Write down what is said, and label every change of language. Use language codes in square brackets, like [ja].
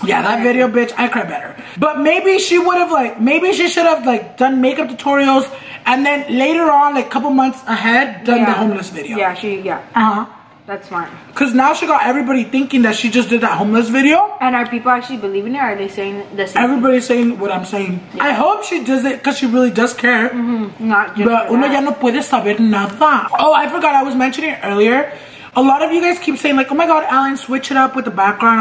[en] Yeah, that video, bitch, I cry better. But maybe she would have, like, maybe she should have, like, done makeup tutorials and then later on, like, a couple months ahead, done the homeless video. Yeah, she, yeah. Uh-huh. That's smart. Because now she got everybody thinking that she just did that homeless video. And are people actually believing it? Or are they saying the same? Everybody's saying what I'm saying. Yeah. I hope she does it because she really does care. Mm-hmm. Not just But [es] uno ya no puede saber nada. [en] Oh, I forgot I was mentioning earlier. A lot of you guys keep saying like, oh my god, Alan, switch it up with the background.